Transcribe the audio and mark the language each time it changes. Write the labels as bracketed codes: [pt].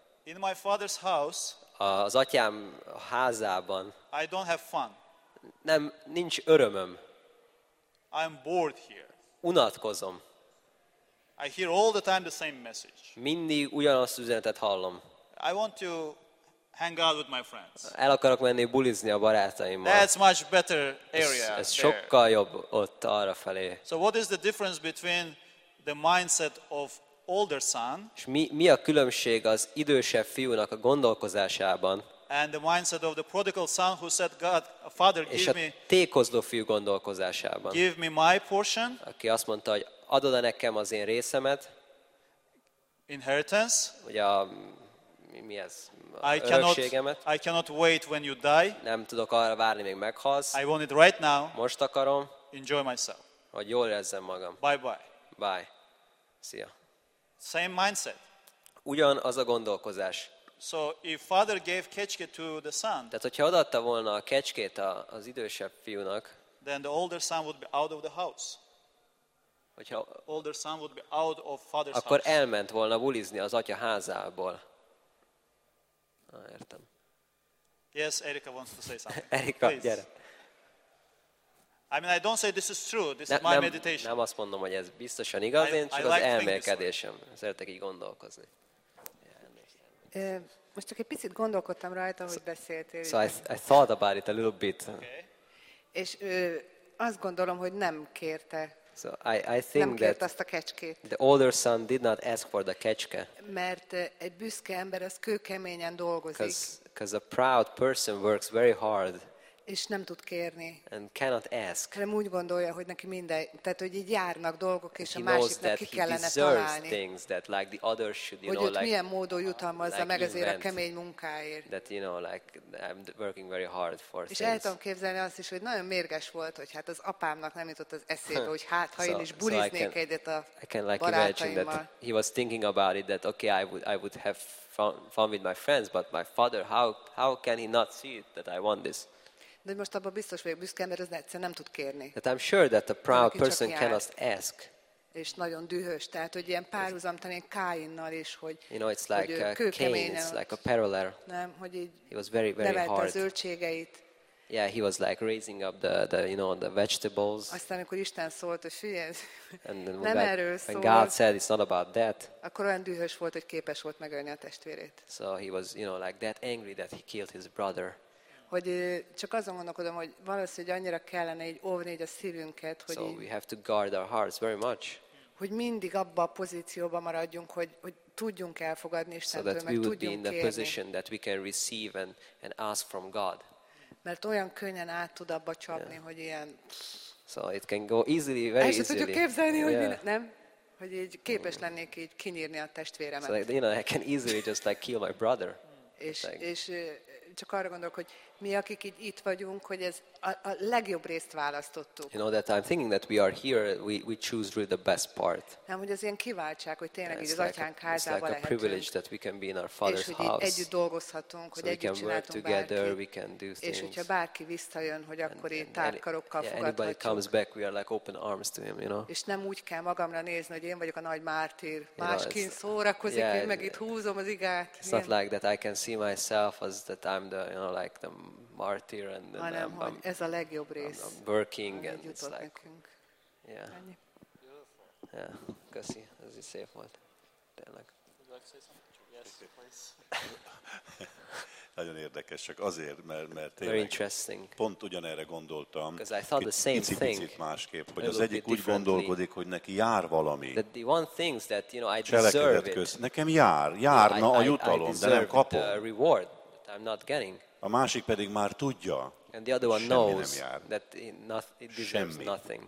[en] In my father's house. [hu] Az atyám házában. [en] I don't have fun. [hu] Nem, nincs örömöm. [en] I'm bored here. [hu] Unatkozom. [en] I hear all the time the same message. [hu] Mindig ugyanazt üzenetet hallom. [en] I want to hang out with my friends. [hu] El akarok menni bulizni a barátaimmal. [en] That's much better area. [hu] Ez sokkal jobb ott arra felé. [en] So what is the difference between the mindset of older son? [hu] És mi a különbség az idősebb fiúnak a gondolkozásában? [en] And the mindset of the prodigal son who said, God, Father, give me. [hu] És a tékozló fiú gondolkozásában. [en] Give me my portion. [hu] Aki azt mondta, hogy adod-e nekem az én részemet. [en] Inheritance. [hu] Ugye a, mi ez? Örökségemet. [en] I cannot wait when you die. [hu] Nem tudok arra várni, még meghalsz. [en] I want it right now. [hu] Most akarom. [en] Enjoy myself. [hu] Hogy jól érezzem magam. [en] Bye-bye. Bye. [hu] Szia. [en] Same mindset. [hu] Ugyanaz a gondolkozás. [en] So if father gave kecske to the son. [hu] Tehát hogyha odaadta volna a kecskét az idősebb fiúnak. [en] Then the older son would be out of the house. [hu] Hogyha [en] older son would be out of father's [hu] akkor [en] house. [hu] Akkor elment volna bulizni az atya házából. Na, értem. [en] Yes, Erika wants to say something. Erika, please. [hu] Gyere. [en] I mean, I don't say this is true. This is my meditation. [hu] Nem azt mondom, hogy ez biztosan igaz, én csak az elmélkedésem. Szeretek így gondolkozni. Most csak egy picit gondolkodtam rajta, hogy beszéltél. [en] So I thought about it a little bit. Okay. [hu] És azt gondolom, hogy nem kérte. [en] So I think [hu] nem kért azt a kecskét. [en] The older son did not ask for the kecske. [hu] Mert egy büszke ember az kőkeményen dolgozik. [en] Because a proud person works very hard. [hu] És nem tud kérni. [en] And cannot ask. [hu] Nem úgy gondolja, hogy neki minden, tehát hogy így járnak dolgok, és a másiknak ki kellene találni. [en] That, like, the others should, [hu] hogy [en] know, like, [hu] milyen módon jutalmazza like meg azért a kemény munkáért. [en] That, you know, like, I'm working very hard for things. [hu] És el tudom képzelni azt is, hogy nagyon mérges volt, hogy hát az apámnak nem jutott az eszébe, hogy hát ha [en] so, [hu] én is buliznék [en] so [hu] egyet a [en] I can, like, [hu] barátaimmal. [en] Imagine that he was thinking about it, that okay, I would have fun with my friends, but my father, how can he not see it that I want this? [hu] De most abban biztos vagyok, büszke, mert ez egyszerűen nem tud kérni. [en] That I'm sure that a proud person cannot ask. [hu] És nagyon dühös, tehát hogy ilyen párhuzam tanít Káinnal is, hogy [en] you know, it's like [hu] hogy kőkeményen, [en] it's like a parallel. [hu] Nem, hogy így [en] he was very, very [hu] nevelte [en] hard. [hu] Az zöldségeit. [en] Yeah, he was like raising up the you know, the vegetables. [hu] Aztán amikor Isten szólt, hogy figyelj, nem erről szólt. [en] When God said it's not about that. [hu] Akkor olyan dühös volt, hogy képes volt megölni a testvérét. [en] So he was, you know, like that angry that he killed his brother. [hu] Hogy csak azon gondolkodom, hogy valószínűleg annyira kellene így óvni így a szívünket, hogy [en] so we have to guard our hearts very much. [hu] Hogy mindig abban a pozícióban maradjunk, hogy tudjunk elfogadni Istentől, [en] so [hu] meg tudjunk kérni. [en] In the position that we can receive and ask from God. [hu] Mert olyan könnyen át tud abba csapni, yeah. Hogy ilyen [en] so it can go easily, very easily. [hu] És tudjuk képzelni, yeah. Hogy mi, nem, hogy így képes lennék így kinyírni a testvéremet. [en] So like, you know, I can easily just like kill my brother. [hu] És csak arra gondolok, hogy mi, akik így itt vagyunk, hogy ez a legjobb részt választottuk. [en] You know that I'm thinking that we are here, we choose really the best part. [hu] Nem, hogy az ilyen kiváltság, hogy tényleg így az atyánk házába lehetünk. [en] It's like a privilege that we can be in our father's house. [hu] És hogy együtt dolgozhatunk, hogy együtt csináltunk bárki. [en] So we can work together, we can do things. [hu] És hogyha bárki visszajön, hogy akkor így tárkarokkal fogadhatjuk. [en] Yeah, anybody comes back, we are like open arms to him, you know. [hu] És nem úgy kell magamra nézni, hogy én vagyok a nagy mártír. Másként szórakozik, én meg itt húzom az igát. [en] It's not like that I can see myself as that I'm the, you know, like the martyr and [hu] hanem, hogy ez a legjobb rész. [en] I'm working and it's like [hu] nekünk. [en] Yeah. [hu] Annyi. Yeah. Köszi, ez is szép volt. Tényleg. [en] Yes, [hu] nagyon érdekes, csak azért, mert [en] very interesting. [hu] Pont ugyanerre gondoltam. [en] Because I thought the same thing. [hu] Picit másképp, hogy az egyik úgy gondolkodik, hogy neki jár valami. [en] That the one things that, you know, I deserve it. [hu] Nekem jár, járna a jutalom, de nem kapom. [en] The reward that I'm not getting. [hu] A másik pedig már tudja, [en] and the other one knows that it deserves nothing.